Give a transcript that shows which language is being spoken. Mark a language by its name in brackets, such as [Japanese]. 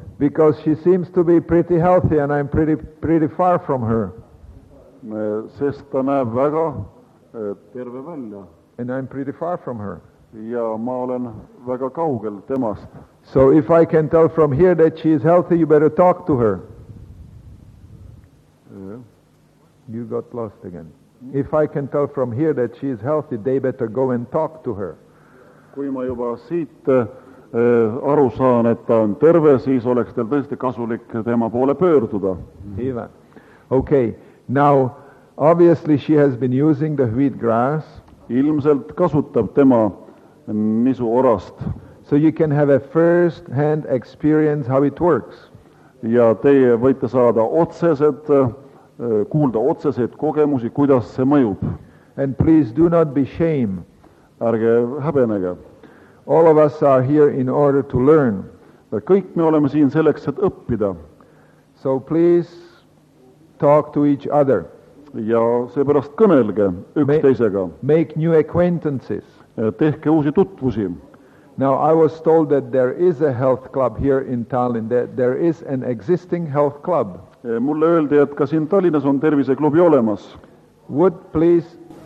[English] Because she seems to be pretty healthy and I'm pretty far from her. [Estonian] Sest ta näeb väga terve välja. [English] And I'm pretty far from her. [Estonian] Ja ma olen väga kaugel temast. [English] So if I can tell from here that she is healthy, you better talk to her. Yeah. You got lost again. If I can tell from here that she is healthy, they better go and talk to her. [Estonian] Kui ma juba siit aru saan, et ta on terve, siis oleks teil tõesti kasulik tema poole pöörduda. [English] Even. Okay. Now, obviously she has been using the wheat grass. [Estonian] Ilmselt kasutab tema nisu orast. [English] So you can have a first hand experience how it works. [Estonian] Ja teie võite saada otsesed, kuulda otsesed kogemusi, kuidas see mõjub. [English] And please do not be shame. [Estonian] Ärge häbenege. [English] All of us are here in order to learn. [Estonian] Kõik me oleme siin selleks, et õppida. [English] So please talk to each other. [Estonian] Ja seepärast kõnelge üksteisega. [English] Make new acquaintances. [Estonian] Tehke uusi tutvusi. [English] Now, I was told that there is a health club here in Tallinn, that there is an existing health club. [Estonian] Mulle öeldi, et ka siin Tallinnas on terviseklubi olemas. [English] Would please...